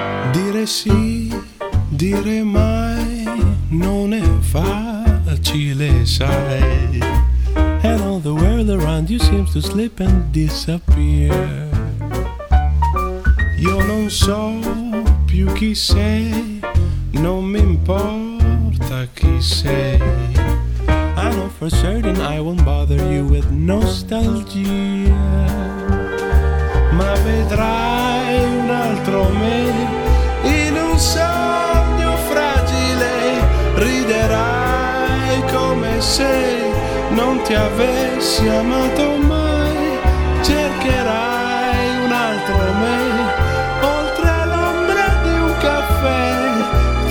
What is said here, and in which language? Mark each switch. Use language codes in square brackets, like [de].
[it] Dire sì, dire mai, non è facile, sai. [en] mind, you seem to slip and disappear. [it] Io non so più chi sei, non mi importa chi sei. [en] I know for certain I won't bother you with nostalgia. [it] Ma vedrai un altro me in un sogno fragile. Riderai come se non ti avessi amato mai. Cercherai un altro me oltre l'ombra di un caffè.